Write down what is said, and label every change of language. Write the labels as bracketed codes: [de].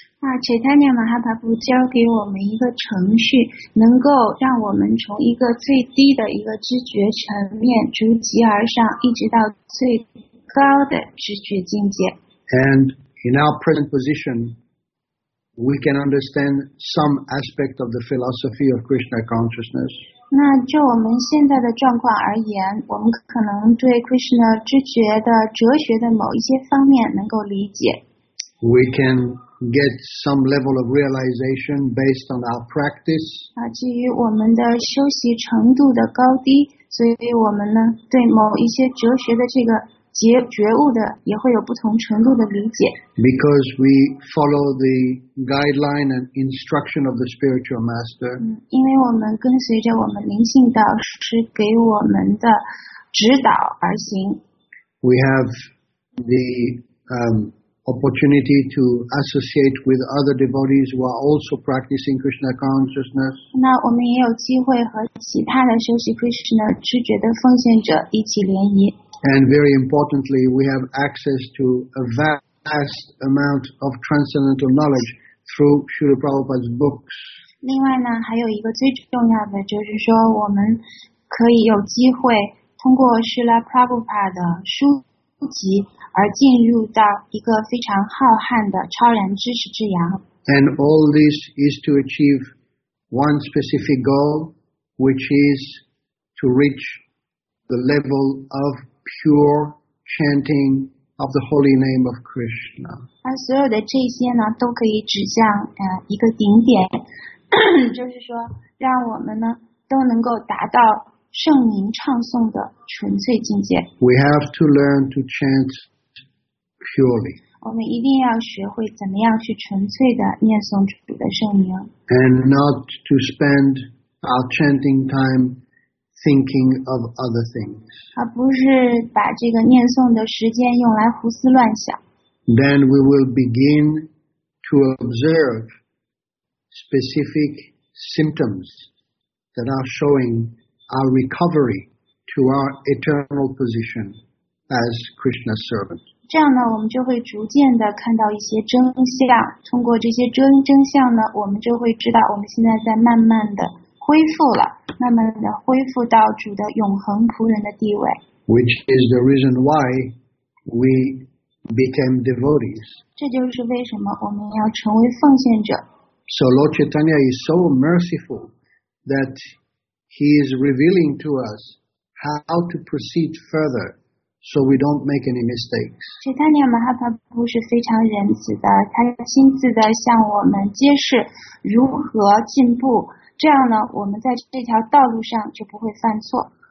[zh] 那 Chaitanya Mahaprabhu 教给我们一个程序，能够让我们从一个最低的一个知觉层面逐级而上，一直到最高的知觉境界。 [en] And in our present position, we can understand some aspect of the philosophy of Krishna consciousness. [zh] 那就我们现在的状况而言，我们可能对 Krishna 知觉的哲学的某一些方面能够理解。 [en] We can get some level of realization based on our practice. [zh] 基于我们的修习程度的高低，所以我们呢对某一些哲学的这个觉悟的也会有不同程度的理解。 [en] Because we follow the guideline and instruction of the spiritual master. [zh] 因为我们跟随着我们灵性导师给我们的指导而行。 [en] We have the opportunity to associate with other devotees who are also practicing Krishna consciousness. [zh] 那我们也有机会和其他的修习 Krishna 知觉的奉献者一起联谊。 [en] And very importantly, we have access to a vast amount of transcendental knowledge through Srila Prabhupada's books. [zh] 另外呢，还有一个最重要的就是说，我们可以有机会通过 Srila Prabhupada 的书籍而进入到一个非常浩瀚的超然知识之洋。 [en] And all this is to achieve one specific goal, which is to reach the level of pure chanting of the holy name of Krishna. [zh] 它所有的这些呢，都可以指向一个顶点，就是说，让我们呢都能够达到圣名唱诵的纯粹境界。 [en] We have to learn to chant purely. [zh] 我们一定要学会怎么样去纯粹的念诵主的圣名。 [en] And not to spend our chanting time thinking of other things. [zh] 而不是把这个念诵的时间用来胡思乱想。 [en] Then we will begin to observe specific symptoms that are showing our recovery to our eternal position as Krishna's servant. [zh] 这样呢，我们就会逐渐的看到一些真相。通过这些真相呢，我们就会知道我们现在在慢慢的恢复了，慢慢的恢复到主的永恒仆人的地位。 [en] Which is the reason why we became devotees. [zh] 这就是为什么我们要成为奉献者。 [en] So Lord Chaitanya is so merciful that he is revealing to us how to proceed further so we don't make any mistakes. [zh] Chaitanya Mahaprabhu 是非常仁慈的，他亲自的向我们揭示如何进步，这样呢，我们在这条道路上就不会犯错。